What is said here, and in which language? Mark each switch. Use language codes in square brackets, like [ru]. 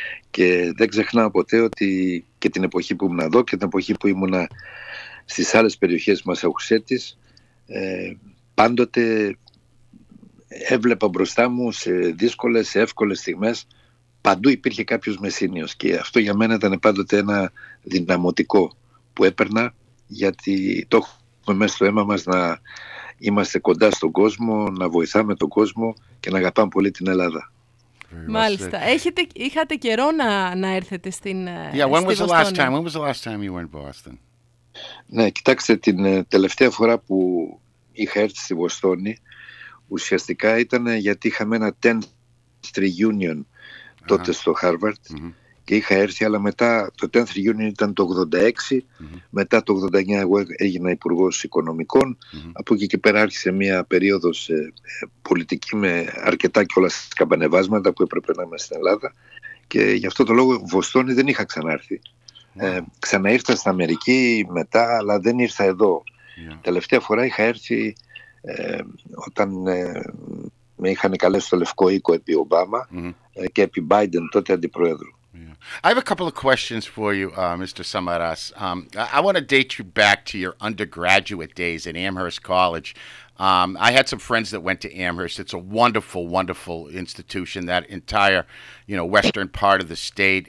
[el] Και δεν ξεχνάω ποτέ ότι και την εποχή που ήμουν εδώ και την εποχή που ήμουνα στις άλλες περιοχές μας Αουξέτης, πάντοτε έβλεπα μπροστά μου σε δύσκολες, σε εύκολες στιγμές, παντού υπήρχε κάποιος μεσήνιος, και αυτό για μένα ήταν πάντοτε ένα δυναμωτικό που έπαιρνα, γιατί το έχουμε μέσα στο αίμα μας να είμαστε κοντά στον κόσμο, να βοηθάμε τον κόσμο και να αγαπάμε πολύ την Ελλάδα. Μάλιστα. Είχατε καιρό να έρθετε στην Βοστόνη. [en] When was the last time you were in Boston? [el] Ναι, κοιτάξτε, την τελευταία φορά που είχα έρθει στη Βοστόνη ουσιαστικά ήταν γιατί είχαμε ένα [en] 10th reunion [el] τότε στο Harvard, και είχα έρθει, αλλά μετά το 10th reunion ήταν το 86, μετά το 89 εγώ έγινα υπουργός οικονομικών, από εκεί και πέρα άρχισε μια περίοδος πολιτική με αρκετά κιόλας καμπανεβάσματα που έπρεπε να είμαι στην Ελλάδα, και γι' αυτό το λόγο Βοστόνη δεν είχα ξανάρθει. Ξαναήρθα στην Αμερική μετά, αλλά δεν ήρθα εδώ. Τελευταία φορά είχα έρθει όταν με είχαν καλέσει στο Λευκό Οίκο επί Ομπάμα και επί Biden τότε αντιπρόεδρου. [en] I have a couple of questions for you, Mr. Samaras. I want to date you back to your undergraduate days at Amherst College. I had some friends that went to Amherst. It's a wonderful, wonderful institution, that entire, you know, western part of the state.